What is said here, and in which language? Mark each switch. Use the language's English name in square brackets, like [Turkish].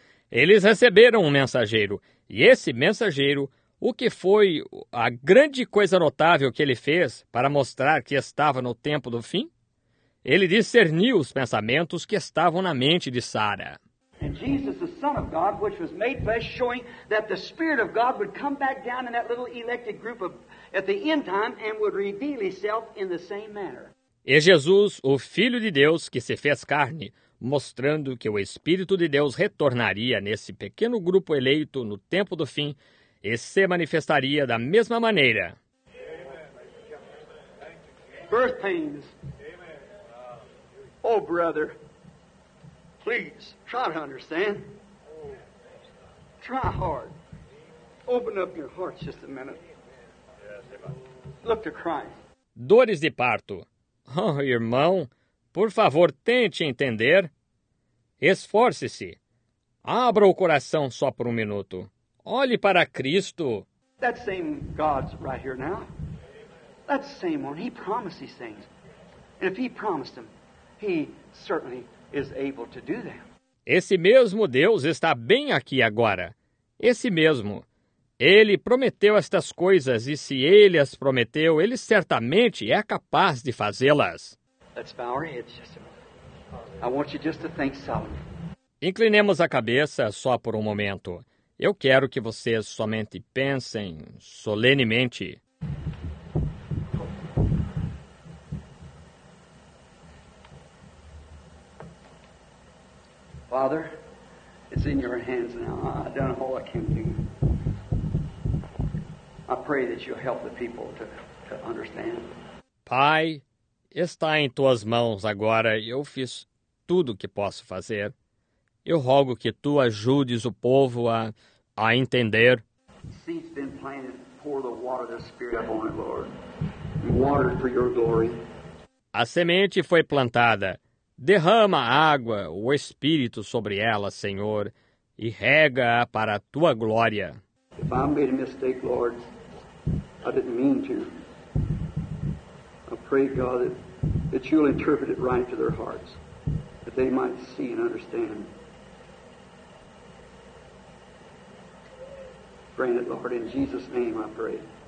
[Portuguese] Eles receberam um mensageiro, e esse mensageiro, o que foi a grande coisa notável que ele fez para mostrar que estava no tempo do fim? Ele discerniu os pensamentos que estavam na mente de Sara. E Jesus, o [English] Son of God, which was made flesh, showing that the Spirit of God would come back down in that little elected group of, at the end time and would reveal himself in the same manner. [Portuguese] E Jesus, o Filho de Deus, que se fez carne, mostrando que o Espírito de Deus retornaria nesse pequeno grupo eleito no tempo do fim e se manifestaria da mesma maneira. [English] Birth pains. Oh, brother. Please, try to understand. Try hard. Open up your hearts just a minute. Look to Christ. [Portuguese] Dores de parto. Oh, irmão, por favor, tente entender. Esforce-se. Abra o coração só por um minuto. Olhe para Cristo. [English] That same God's right here now. That same one. He promised these things. And if he promised them, he certainly is able to do them. [Portuguese] Esse mesmo Deus está bem aqui agora. Esse mesmo. Ele prometeu estas coisas, e se ele as prometeu, ele certamente é capaz de fazê-las. [English] Let's bow our heads just a moment. I want you just to think solemnly. [Portuguese] Inclinemos a cabeça só por um momento. Eu quero que vocês somente pensem solenemente. [English] Father, it's in your hands now. I've done all I can do. I pray that you'll help the people to understand. [Portuguese] Pai, está em tuas mãos agora. Eu fiz tudo o que posso fazer. Eu rogo que tu ajudes o povo a entender. [English] Seed's been planted. Pour the water of the Spirit upon it, Lord. Water for your glory. [Portuguese] A semente foi plantada. Derrama água, o Espírito sobre ela, Senhor, e rega-a para a tua glória. [English] If I made a mistake, Lord, I didn't mean to. I pray, God, that you'll interpret it right to their hearts, that they might see and understand. Grant it, Lord, in Jesus' name I pray.